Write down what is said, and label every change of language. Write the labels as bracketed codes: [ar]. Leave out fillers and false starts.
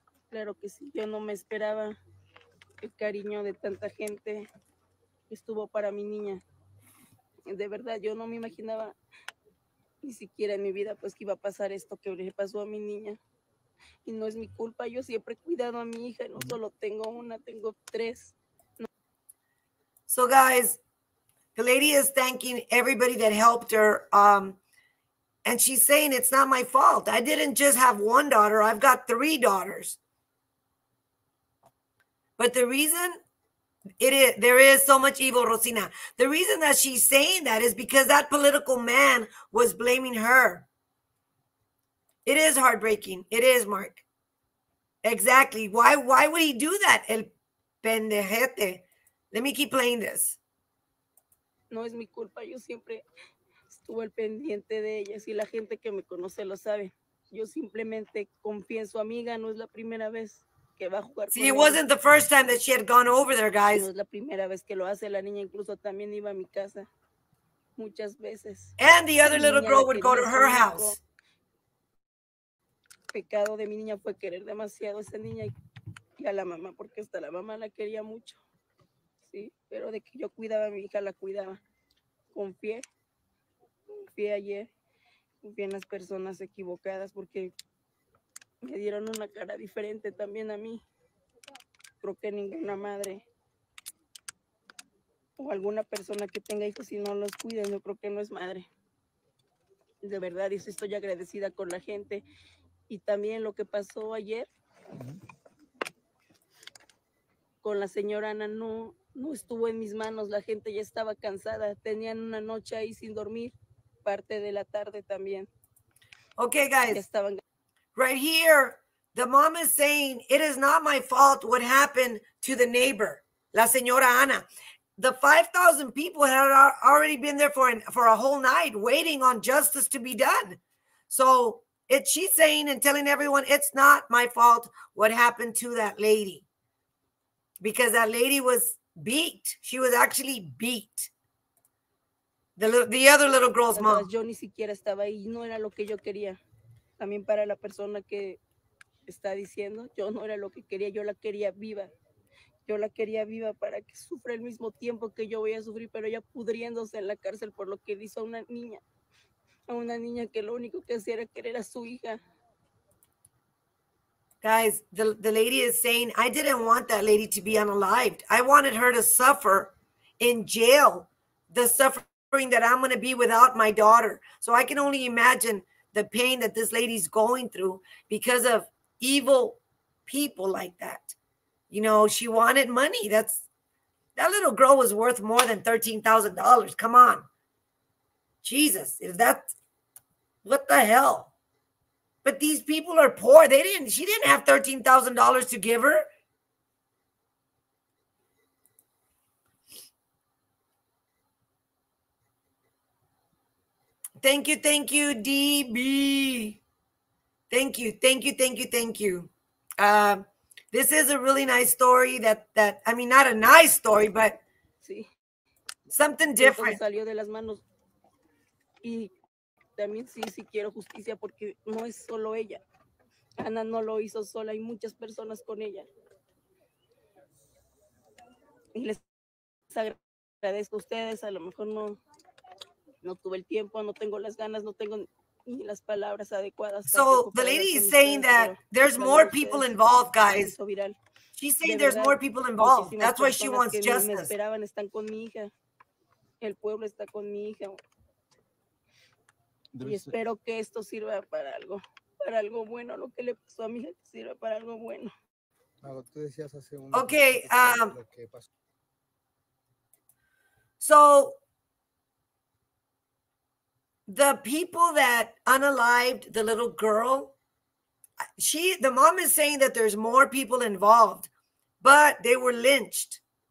[es] Claro que sí, yo no me esperaba el cariño de tanta gente que estuvo para mi niña. De verdad, yo no me imaginaba ni siquiera en mi vida pues que iba a pasar esto que le pasó a mi niña. Y no es mi culpa, yo siempre he cuidado a mi hija, no solo tengo una, tengo tres. [en] So guys, the lady is thanking everybody that helped her. And she's saying, it's not my fault. I didn't just have one daughter, I've got three daughters. But the reason there is so much evil, Rosina, the reason that she's saying that is because that political man was blaming her. It is heartbreaking. It is, Mark. Exactly. Why would he do that? [es] El pendejete. [en] Let me keep playing this. [es] No es mi culpa. Yo siempre estuve al pendiente de ellas y la gente que me conoce lo sabe. Yo simplemente confié en su amiga. No es la primera vez que va a jugar. [en] See, it wasn't the first time that she had gone over there, guys. [es] No es la primera vez que lo hace. La niña incluso también iba a mi casa muchas veces. [en] And the other little girl would go to her house. [es] Pecado de mi niña fue querer demasiado a esa niña y a la mamá, porque hasta la mamá la quería mucho, sí, pero de que yo cuidaba a mi hija, la cuidaba, confié ayer, confié en las personas equivocadas, porque me dieron una cara diferente también a mí. Creo que ninguna madre o alguna persona que tenga hijos si no los cuida, yo creo que no es madre, de verdad, y estoy agradecida con la gente. Y también lo que pasó ayer con la señora Ana no estuvo en mis manos. La gente ya estaba cansada. Tenían una noche ahí sin dormir, parte de la tarde también. [en] Okay, guys. [es] Estaban... [en] Right here, the mom is saying, it is not my fault what happened to the neighbor, la señora Ana. The 5,000 people had already been there for a whole night waiting on justice to be done. So... she's saying and telling everyone, it's not my fault what happened to that lady. Because that lady was beat. She was actually beat. The other little girl's mom. [es] Yo ni siquiera estaba ahí. No era lo que yo quería. También para la persona que está diciendo, yo no era lo que quería. Yo la quería viva. Yo la quería viva para que sufra el mismo tiempo que yo voy a sufrir. Pero ella pudriéndose en la cárcel por lo que hizo a una niña. A una niña que lo único que hacía era querer a su hija. [en] Guys, the lady is saying, I didn't want that lady to be unalived. I wanted her to suffer in jail, the suffering that I'm going to be without my daughter. So I can only imagine the pain that this lady's going through because of evil people like that. You know, she wanted money. That little girl was worth more than $13,000. Come on. Jesus, if that, what the hell? But these people are poor. She didn't have $13,000 to give her. Thank you, DB. Thank you. This is a really nice story not a nice story, but [es] sí. [en] Something different. [es] Salió de las manos. Y también sí quiero justicia porque no es solo ella. Ana no lo hizo sola, hay muchas personas con ella. Y les agradezco a ustedes, a lo mejor no tuve el tiempo, no tengo las ganas, no tengo ni las palabras adecuadas. [en] So the lady is saying that there's more people involved, guys. She's saying there's more people involved. That's why she wants justice. [es] Me esperaban, están con mi hija. El pueblo está con mi hija. Y espero que esto sirva para algo bueno, lo que le pasó a mi hija, que sirva para algo bueno. Tú decías hace un [en] Okay, So the people that unalived the little girl, the mom is saying that there's more people involved, but they were lynched.